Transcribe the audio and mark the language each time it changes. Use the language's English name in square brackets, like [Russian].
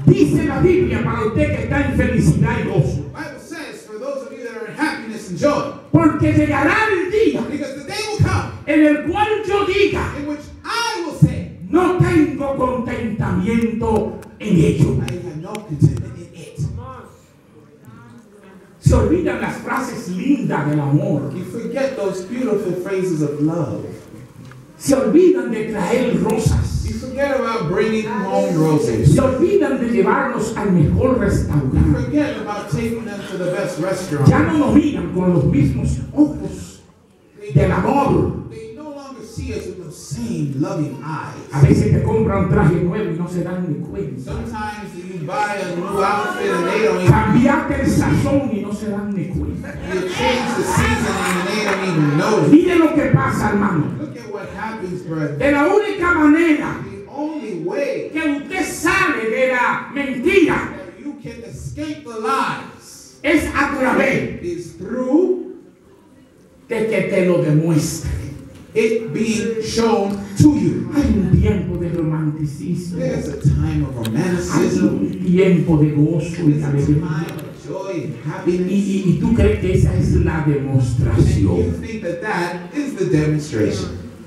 [Spanish] Dice la Biblia para usted que está en felicidad y gozo. [English] Bible says, for those of you that are in happiness and joy, [Spanish] porque llegará el día, [English] because the day will come, [Spanish] en el cual yo diga, [English] in which I will say, [Spanish] no tengo contentamiento en ello. [English] I have no contentment in it. [Spanish] Se olvidan las frases lindas del amor. [English] You forget those beautiful phrases of love. [Spanish] Se olvidan de traer rosas. [English] You forget about bringing home roses. [Spanish] Se olvidan de llevarnos al mejor restaurante. [English] You forget about taking them to the best restaurant. [Spanish] Ya no nos miran con los mismos ojos del amor. [English] See us with the same loving eyes. [Spanish] A veces te compra un traje nuevo y no se dan ni cuenta. [English] Sometimes you buy a new outfit and they don't. [Spanish] Cambiaste el sazón y no se dan ni cuenta. [English] You change the season and they don't even know. [Spanish] Mire lo que pasa, hermano. [English] Look at what happens, brother. [Spanish] De la única manera. [English] The only way. [Spanish] Que usted sale de la mentira. [English] You can escape the lies. [Spanish] Es a través. [English] Is through. [Spanish] De que te lo demuestre. [English] It being shown to you. [Spanish] Hay un tiempo de romanticismo. [English] There's a time of romanticism. [Spanish] Hay un tiempo de gozo y alegría. [English] Time of joy and happiness. [Spanish] Y tú crees que esa es la demostración. [English] And you think that that is the demonstration.